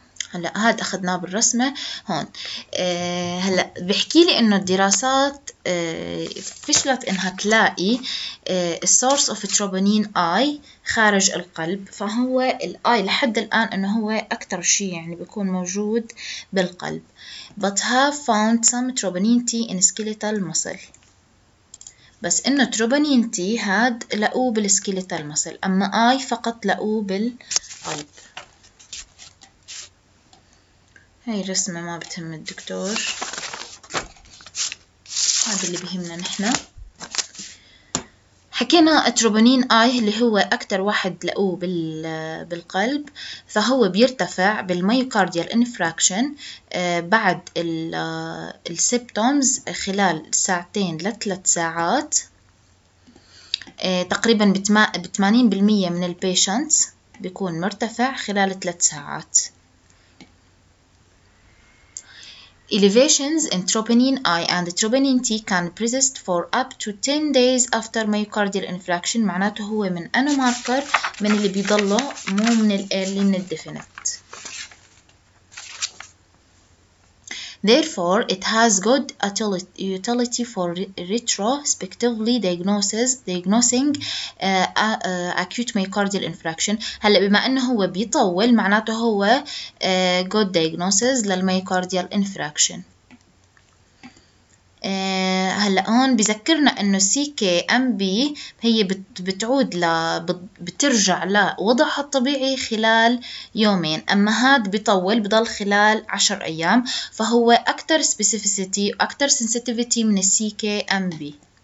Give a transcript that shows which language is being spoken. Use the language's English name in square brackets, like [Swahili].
[Arabic] هلأ هاد أخذناه بالرسمة هون. هلأ بحكي لي إنه الدراسات فشلت إنها تلاقي [English] source of troponin I [Arabic] خارج القلب، فهو الآي لحد الآن إنه هو أكتر شيء يعني بيكون موجود بالقلب. [English] But have found some troponin T in skeletal muscle. [Arabic] بس إنه troponin T هاد لقوه بالسكيليتال مسل، أما I فقط لقوه بالقلب. هاي الرسمة ما بتهم الدكتور، هذا اللي بهمنا نحنا. حكينا التروبونين اي اللي هو اكتر واحد لقوه بالقلب، فهو بيرتفع بالميوكارديال انفراكشن بعد السيبتومز خلال ساعتين لثلاث ساعات تقريبا ب80% من البيشنتس بيكون مرتفع خلال ثلاث ساعات. [English] Elevations in troponin I and troponin T can persist for up to 10 days after myocardial infarction. [Arabic] معناته هو من أنا ماركر من اللي بيضله مو من الأرلي من الديفينت. [English] Therefore, it has good utility for retrospectively diagnosing acute myocardial infarction. [Arabic] هلا بما انه هو بيطول معناته هو [English] good diagnosis [Arabic] للميوكارديال infarction. هلا هون بذكرنا انه CKMB هي بتعود بترجع لوضعها الطبيعي خلال يومين، اما هاد بيطول بضل خلال 10 ايام، فهو اكثر سبيسيفيسيتي واكثر سنسيتيفيتي من CKMB.